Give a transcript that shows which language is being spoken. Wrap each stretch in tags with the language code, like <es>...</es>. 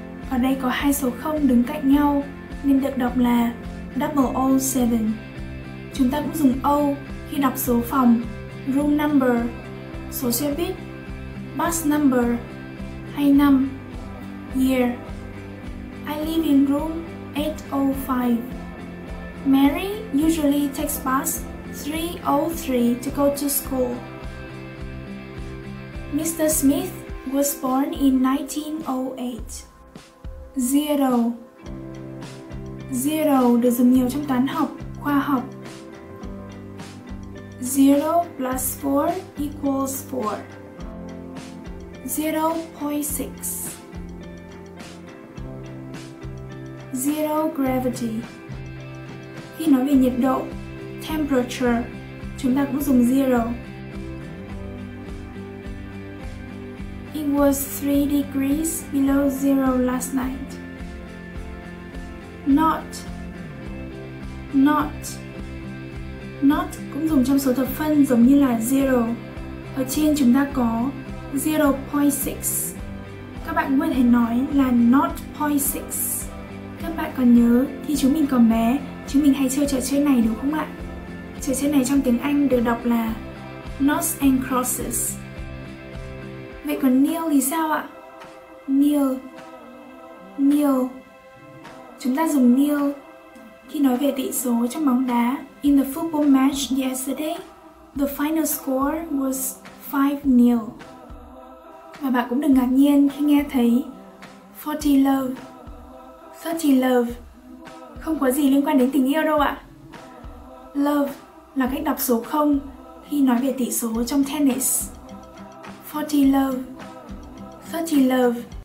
<vi>Ở đây có hai số 0 đứng cạnh nhau nên được đọc là 007. Chúng ta cũng dùng O khi đọc số phòng, room number, số xe buýt, bus number, hay năm, year.</vi> <en>I live in room 805. Mary usually takes bus 303 to go to school. Mr. Smith was born in 1908. Zero.</en> <vi>Zero được dùng nhiều trong toán học, khoa học.</vi> <en>0 plus 4 equals 4. 0.6. 0 gravity.</en> <vi>Khi nói về nhiệt độ, temperature, chúng ta cũng dùng 0.</vi> <en>It was 3 degrees below 0 last night. Not.</en> <vi>Not cũng dùng trong số thập phân giống như là zero. Ở trên chúng ta có 0.6. Các bạn có thể nói là not 0.6. Các bạn còn nhớ khi chúng mình còn bé, chúng mình hay chơi trò chơi này đúng không ạ? Trò chơi này trong tiếng Anh được đọc là knots and crosses. Vậy còn nil thì sao ạ? Nil. Chúng ta dùng nil khi nói về tỷ số trong bóng đá.</vi> <en>In the football match yesterday, the final score was 5-0.</en> <vi>Và bạn cũng đừng ngạc nhiên khi nghe thấy 30 love. Không có gì liên quan đến tình yêu đâu ạ. Love là cách đọc số 0 khi nói về tỷ số trong tennis.</vi> <en>30 love. 30 love.</en>